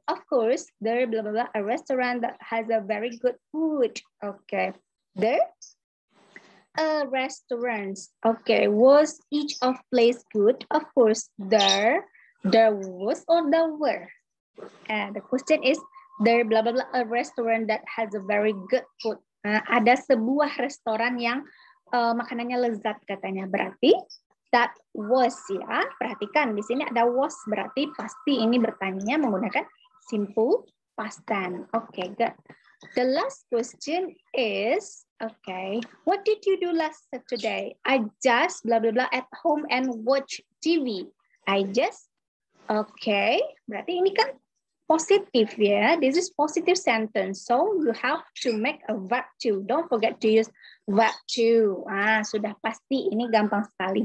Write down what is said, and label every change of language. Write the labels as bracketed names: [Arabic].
[English] Of course, there blah blah blah a restaurant that has a very good food. Okay, there a restaurant. Okay, was each of place good? Of course, there was or there were. And the question is, there blah blah blah a restaurant that has a very good food. [Indonesian] Ada sebuah restoran yang makanannya lezat katanya. Berarti [English] that was [Indonesian] ya. Perhatikan di sini ada was berarti pasti ini bertanya menggunakan simple past tense. [English] Okay, good. The last question is, okay, what did you do last Saturday? I just blah blah blah at home and watch TV. I just, okay, [Indonesian] berarti ini kan [English] positive, yeah. This is positive sentence. So you have to make a verb too. Don't forget to use verb too. [Indonesian] Ah, sudah pasti ini gampang sekali.